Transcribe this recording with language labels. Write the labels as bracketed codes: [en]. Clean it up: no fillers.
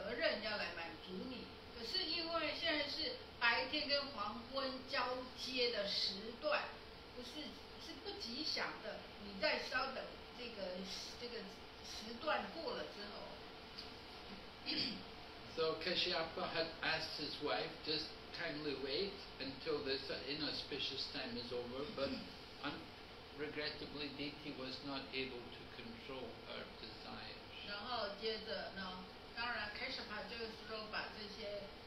[zh] 那这个开始吧，就跟他说，他这个老婆弟弟说，当然啦，身为你的丈夫，这是我的责任要来满足你，可是因为现在是 白天跟黄昏交接的时段，不是不吉祥的。你再稍等，这个时段过了之后。 [en] So Kashyapa had asked his wife, just kindly wait until this inauspicious time is over. But regrettably, Diti was not able to control her desires. [zh] 然后接着呢，当然Kashyapa就是说把这些。